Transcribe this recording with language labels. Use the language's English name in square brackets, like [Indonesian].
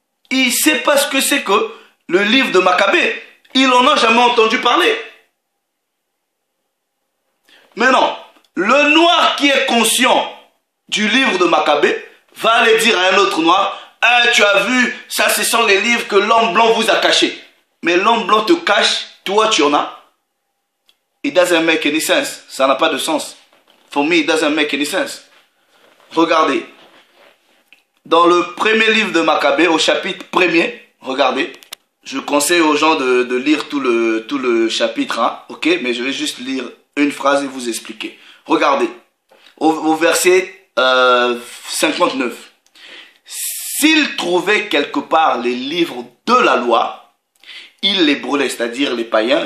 [French] Il sait pas ce que c'est que le livre de Maccabée. Il n'en a jamais entendu parler. Mais non, le noir qui est conscient du livre de Maccabée va aller dire à un autre noir, hey, tu as vu, ça ce sont les livres que l'homme blanc vous a cachés. Mais l'homme blanc te cache, toi tu en as. [English] It doesn't make any sense. [French] Ça n'a pas de sens. [English] For me, it doesn't make any sense. [French] Regardez. Dans le premier livre de Maccabée, au chapitre premier, regardez. Je conseille aux gens de lire tout le chapitre, hein, ok? Mais je vais juste lire une phrase et vous expliquer. Regardez. Au verset 59. S'ils trouvaient quelque part les livres de la loi, ils les brûlaient, c'est-à-dire les païens.